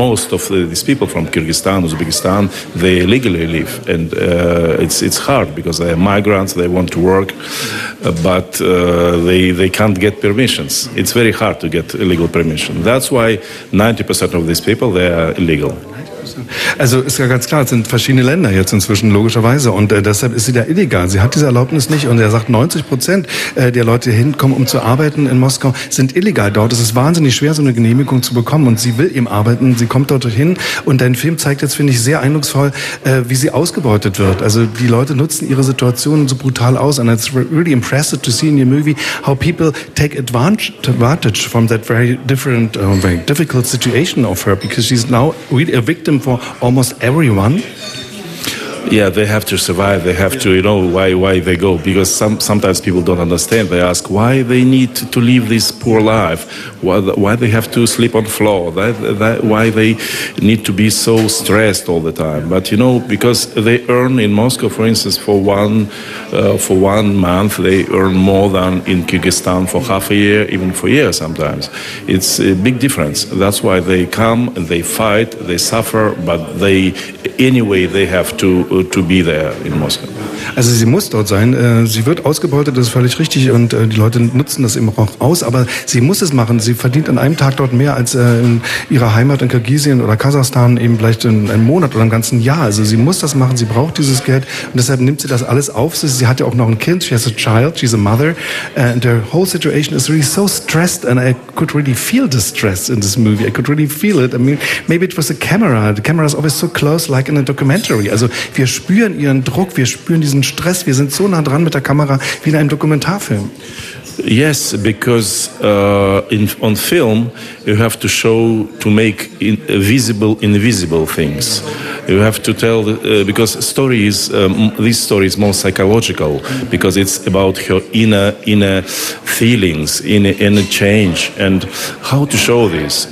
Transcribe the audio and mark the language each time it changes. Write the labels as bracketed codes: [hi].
[en] Most of these people from Kyrgyzstan, Uzbekistan, they illegally live. And it's hard because they are migrants, they want to work, but they can't get permissions. It's very hard to get illegal permission. That's why 90% of these people, they are illegal. [de] Also ist ja ganz klar, es sind verschiedene Länder jetzt inzwischen, logischerweise. Und deshalb ist sie da illegal. Sie hat diese Erlaubnis nicht. Und er sagt, 90% der Leute, die hinkommen, um zu arbeiten in Moskau, sind illegal dort. Es ist wahnsinnig schwer, so eine Genehmigung zu bekommen. Und sie will eben arbeiten. Sie kommt dort hin. Und dein Film zeigt jetzt, finde ich, sehr eindrucksvoll, wie sie ausgebeutet wird. Also die Leute nutzen ihre Situation so brutal aus. [en] And it's really impressive to see in your movie how people take advantage from that very different, very difficult situation of her. Because she's now really a victim for almost everyone. Yeah, they have to survive. They have to, you know, why they go. Because sometimes people don't understand. They ask why they need to live this poor life. Why they have to sleep on the floor. Why they need to be so stressed all the time. But, you know, because they earn in Moscow, for instance, for one month, they earn more than in Kyrgyzstan for half a year, even for a year sometimes. It's a big difference. That's why they come, they fight, they suffer, but they, anyway, they have to be there in Moscow. [de] Also sie muss dort sein, sie wird ausgebeutet, das ist völlig richtig und die Leute nutzen das eben auch aus, aber sie muss es machen, sie verdient an einem Tag dort mehr als in ihrer Heimat in Kirgisien oder Kasachstan eben vielleicht in einem Monat oder im ganzen Jahr. Also sie muss das machen, sie braucht dieses Geld und deshalb nimmt sie das alles auf. Sie hat ja auch noch ein Kind, [en] she has a child, she's a mother and the whole situation is really so stressed and I could really feel the stress in this movie, I could really feel it. I mean, maybe it was the camera is always so close like in a documentary. [de] Also wir spüren ihren Druck, wir spüren diesen Stress, wir sind so nah dran mit der Kamera wie in einem Dokumentarfilm. [en] Yes, because on film you have to show to make visible invisible things. You have to tell because stories. This story is more psychological because it's about her inner feelings, inner change, and how to show this.